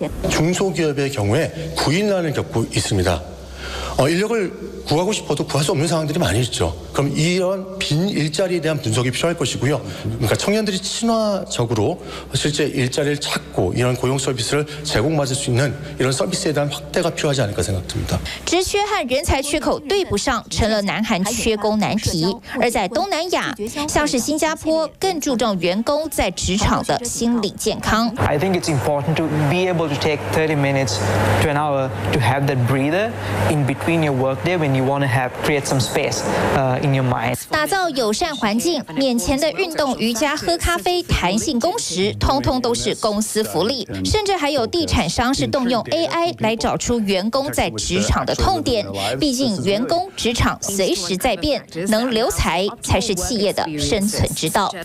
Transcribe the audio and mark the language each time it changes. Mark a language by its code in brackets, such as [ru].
[ko] 중소기업의경우에구인난을겪고있습니다인력을구하고싶어도구할수없는상황들이많이있죠그럼이런빈일자리에대한분석이필요할것이고요그러니까청년들이친화적으로실제일자리를찾고이런고용서비스를제공받을수있는이런서비스에대한확대가필요하지않을까생각됩니다 [zh] 职缺和人才缺口对不上，成了南韩缺工难题。而在东南亚，像是新加坡，更注重员工在职场的心理健康。 [en] I think it's important to be able to take 30 minutes to an hour to have that breather in between your work day when you want to have create some space. In your mind. [zh] 打造友善环境，免钱的运动、瑜伽、喝咖啡、弹性工时，通通都是公司福利。甚至还有地产商是动用 AI 来找出员工在职场的痛点。毕竟员工职场随时在变，能留才才是企业的生存之道。